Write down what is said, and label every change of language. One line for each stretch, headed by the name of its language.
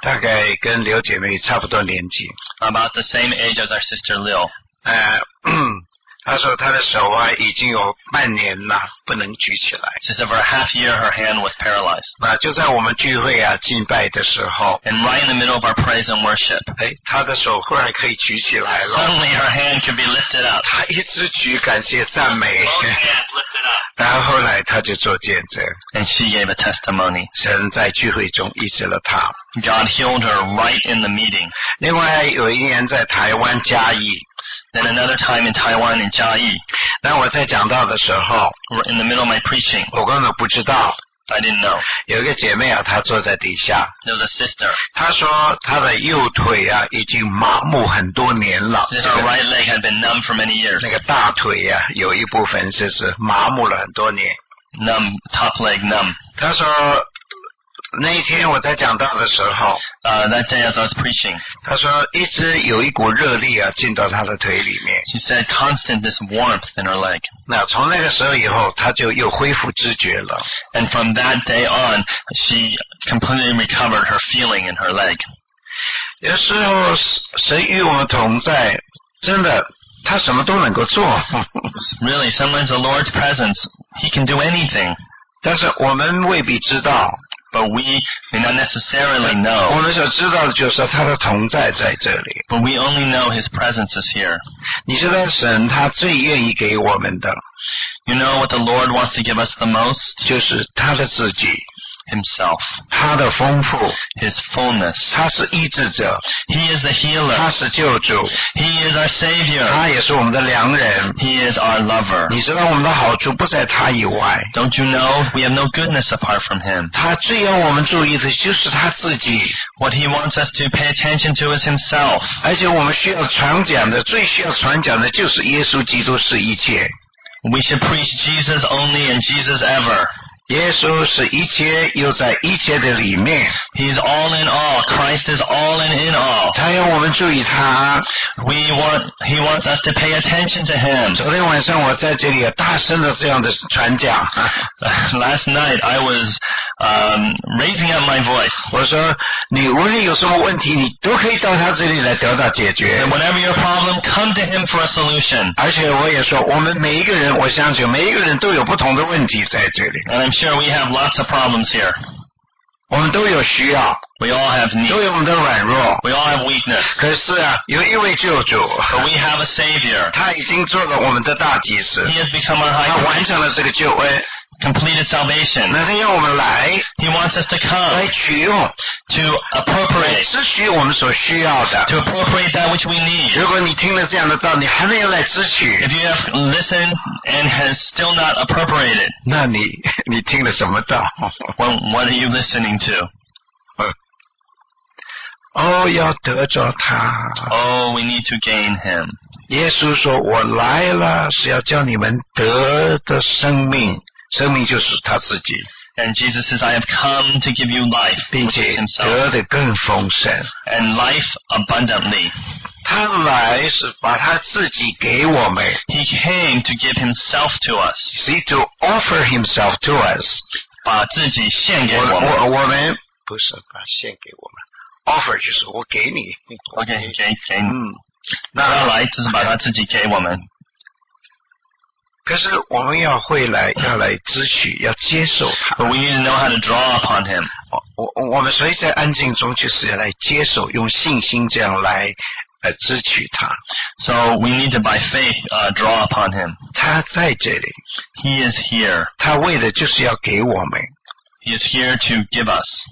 Chinese: 大概跟刘姐妹差不多年纪。
English: About the same age as our sister Liu.
Chinese: 她说她的手啊已经有半年了不能举起来。
English: She said for a half year her hand was paralyzed.
Chinese: 那就在我们聚会啊敬拜的时候。
English: And right in the middle of our praise and worship.
Chinese: 她的手忽然可以举起来了。
English: Suddenly her hand could be lifted up.
Chinese: 她一直举感谢赞美。
English: Both hands lifted up.
Chinese: 然后来她就做见证。
English: And she gave a testimony.
Chinese: 神在聚会中医治了她。
English: God healed her right in the meeting.
Chinese: 另外有一年在台湾嘉义。
English: Then another time in Taiwan in 嘉义。
Chinese: 那我在讲到的时候
English: ，in the middle of my preaching，
Chinese: 我根本不知道
English: ，I didn't know。
Chinese: 有一个姐妹啊，她坐在底下
English: ，there was a sister。
Chinese: 她说她的右腿啊已经麻木很多年了。
English: This right leg had been numb for many years。
Chinese: 那个大腿啊有一部分就是麻木了很多年。
English: Numb top leg numb。
Chinese: 她说那一天我在讲到的时候
English: that day as I was preaching,
Chinese: 他说一直有一股热力啊进到他的腿里面。
English: She said constant this warmth in her leg.
Chinese: 那从那个时候以后他就又恢复知觉了。
English: And from that day on, she completely recovered her feeling in her leg.
Chinese: 有时候神与我同在真的他什么都能够做。
English: Really, sometimes the Lord's presence, he can do anything.
Chinese: 但是我们未必知道
English: But we may not necessarily know.
Chinese: 我们所知道的就是他的同在在这里。
English: But we only know his presence is here.
Chinese: 你知道神他最愿意给我们的。
English: You know what the Lord wants to give us the most?
Chinese: 就是他的自己。
English: Himself.
Chinese: 他的丰富。
English: His fullness.
Chinese: 他是医治者。
English: He is the healer.
Chinese: 他是救主。
English: He is our savior.
Chinese: 他也是我们的良人。
English: He is our lover.
Chinese: 你知道我们的好处不在他以外。
English: Don't you know we have no goodness apart from him?
Chinese: 他最要我们注意的就是他自己。
English: What he wants us to pay attention to is himself.
Chinese: 而且我们需要传讲的，最需要传讲的就是耶稣基督是一切。
English: We should preach Jesus only and Jesus ever.
Chinese: 耶稣是一切又在一切的里面。
English: He's all in all. Christ is all in all.
Chinese: 他要我们注意他。
English: He wants us to pay attention to him.
Chinese: 昨天晚上我在这里大声的这样的传讲。
English: Last night I was, raising up my voice.
Chinese: 我说你无论有什么问题你都可以到他这里来得到解决。
English: And whenever your problem, come to him for a solution.
Chinese: 而且我也说我们每一个人我相信每一个人都有不同的问题在这里。
English: And I'm sure we have lots of problems here.
Chinese: 我们都有需要。
English: We all have need.
Chinese: 都有我们的软弱。
English: We all have weakness.
Chinese: 可是啊有一位救主。
English: But we have a savior.
Chinese: 他已经做了我们的大祭司。
English: He has become our high priest.
Chinese: 他完成了这个救恩。
English: Completed salvation.
Chinese: 那他要我们来。
English: He wants us to come.
Chinese: 来取用。
English: To appropriate.
Chinese: 支取我们所需要的。
English: To appropriate that which we need.
Chinese: 如果你听了这样的道你还没有来支取。
English: If you have listened and has still not appropriated.
Chinese: 那你听了什么道
English: What are you listening to?
Chinese: 要得着他。
English: Oh, we need to gain him.
Chinese: 耶稣说我来了是要叫你们得的生命。生命就是他自己。
English: And Jesus says, I have come to give you life,
Chinese: 并且得的更丰盛。
English: And life abundantly.
Chinese: 他来是把他自己给我们。
English: He came to give himself to us. See, to offer himself to us.
Chinese: 把自己献给我们。我们不是把献给我们。Offer 就是我给你。 OK, 给你。那他来就是把他自己给我们。可是我们要会来，要来支取，要接受他。
English: But we need to know how to draw upon him.
Chinese: 我们所以在安静中就是要来接受，用信心这样来支取他。
English: So we need to by faith draw upon him.
Chinese: 他在这里。
English: He is here.
Chinese: 他为的就是要给我们。
English: He is here to give us.